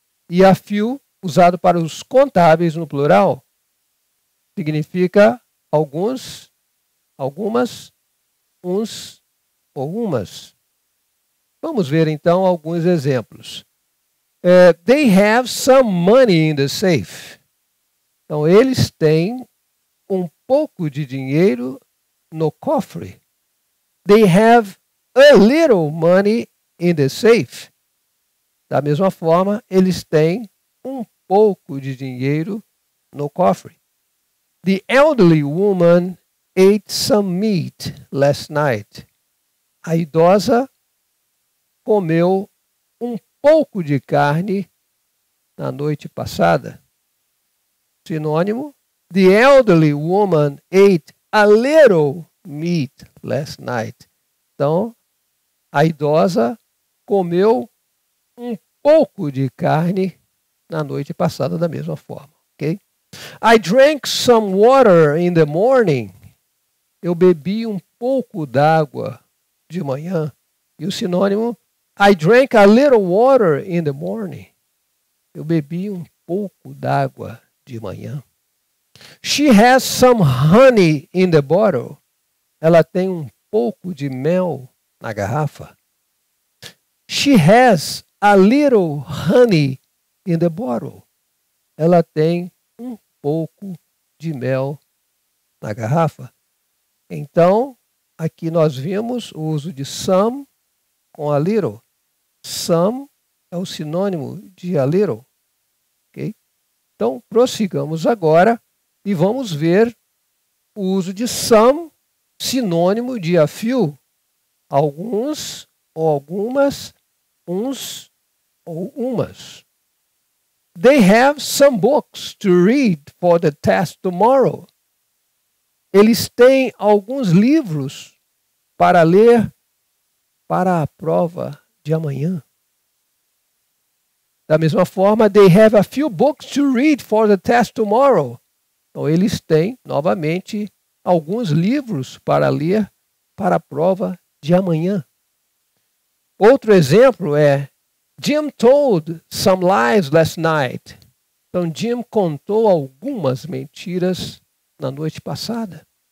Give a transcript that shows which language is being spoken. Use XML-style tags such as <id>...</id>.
<pt>E a few, usado para os contáveis no plural, significa alguns, algumas, uns ou umas. Vamos ver então alguns exemplos.</pt> <en>They have some money in the safe.</en> <pt>Então, eles têm um pouco de dinheiro no cofre.</pt> <en>They have a little money in the safe.</en> <pt>Da mesma forma, eles têm um pouco de dinheiro no cofre.</pt> <en>The elderly woman ate some meat last night.</en> <pt>A idosa comeu um pouco de carne na noite passada. Sinônimo,</pt> <en>the elderly woman ate a little meat last night.</en> <pt>Então, a idosa comeu um pouco de carne na noite passada da mesma forma.</pt> <en>Okay? I drank some water in the morning.</en> <pt>Eu bebi um pouco d'água de manhã. E o sinônimo,</pt> <en>I drank a little water in the morning.</en> <pt>Eu bebi um pouco d'água de manhã.</pt> <en>She has some honey in the bottle.</en> <pt>Ela tem um pouco de mel na garrafa.</pt> <en>She has a little honey in the bottle.</en> <pt>Ela tem um pouco de mel na garrafa. Então, aqui nós vimos o uso de some com a little. Some é o sinônimo de a little. Okay? Então, prossigamos agora e vamos ver o uso de some, sinônimo de a few. Alguns ou algumas, uns ou umas.</pt> <en>They have some books to read for the test tomorrow.</en> <pt>Eles têm alguns livros para ler para a prova de amanhã. Da mesma forma,</pt> <en>they have a few books to read for the test tomorrow.</en> <pt>Então, eles têm, novamente, alguns livros para ler para a prova de amanhã. Outro exemplo é</pt> <en>Jim told some lies last night.</en> <pt>Então, Jim contou algumas mentiras na noite passada.</pt>